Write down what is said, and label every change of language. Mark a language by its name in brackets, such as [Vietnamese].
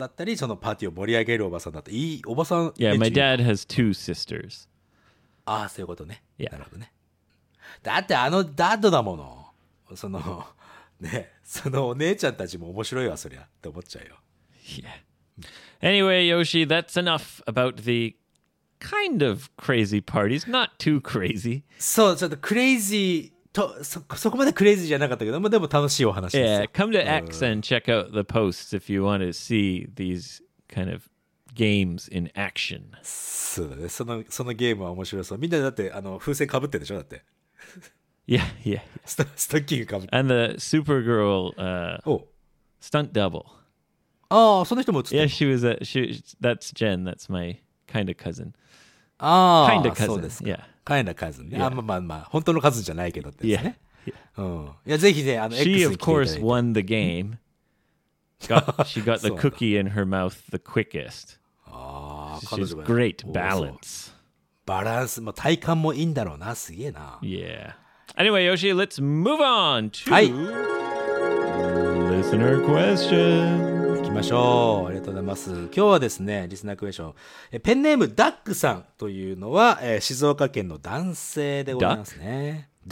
[Japanese] ホストのおばさんだったり、そのパーティーを盛り上げるおばさんだったり、いいおばさん。 [English] Yeah, my dad has two sisters. [Japanese] ああ、そういうことね。Yeah. なるほどね。だってあのダッドだもの。その、ね、そのお姉ちゃんたちも面白いわ、そりゃ。って思っちゃうよ。 [English] Yeah. Anyway, Yoshi, that's enough about the kind of crazy parties. Not too crazy. [Japanese] そう、ちょっとクレイジー。そこまでクレイジーじゃなかったけど、でも楽しいお話です。 [English] Yeah, come to X and check out the posts if you want to see these kind of games in action. [Japanese] そうだね。そのゲームは面白そう。みんなだってあの風船かぶってるでしょだって。 [English] Yeah, yeah. [Japanese] ストッキングかぶって。 [English] And the Supergirl, stunt double. [Japanese] ああ、その人も映って [English] る。Yeah, that's Jen. That's my kind of cousin. [Japanese] ああ、 [English] kind of cousin. [Japanese] そうですか。 [English] Yeah. [Japanese] 変な数ね。 Yeah. あ、まあ、本当の数じゃないけどってですね。 [English] Yeah. [Japanese] うん。いや、ぜひね、あの、X に来ていただいて。 [English] She, of course, won the game. She got the cookie in her mouth the quickest. [Japanese] ああ、 [English] She's great balance. [Japanese] バランス、まあ、体幹もいいんだろうな、すげえな。 [English] Yeah. Anyway, Yoshi, let's move on to、はい、listener question. [Japanese] 行きましょう。ありがとうございます。今日はですね、リスナークエスチョン。ペンネーム、ダックさんというのは、静岡県の男性でございますね。